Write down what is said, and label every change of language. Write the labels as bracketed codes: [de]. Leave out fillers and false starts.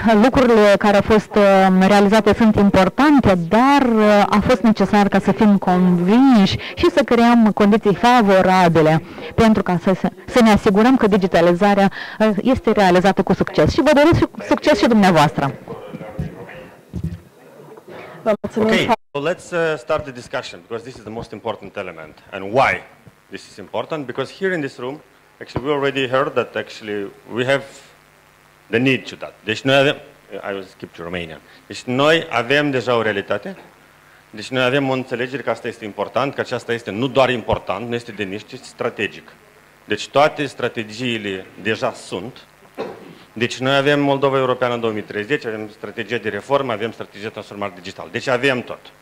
[ro] Lucrurile care au fost realizate sunt importante, dar a fost necesar ca să fim convinși și să creăm condiții favorabile pentru ca să ne asigurăm că digitalizarea este realizată cu succes. Și vă doresc succes și dumneavoastră! [en] Okay, so let's start the discussion, because this is the most important element. And why this is important? Because here in this room, actually, we already heard that actually we have the need to that. [ro] Deci noi avem, [en] I will skip to Romania. [ro] Deci noi avem deja o realitate. Deci noi avem o înțelegere că asta este important, că aceasta este nu doar important, nu este de nici, ci strategic. Deci toate strategiile deja sunt. Deci noi avem Moldova Europeană 2030, avem strategia de reformă, avem strategia de transformare digitală. Deci avem tot.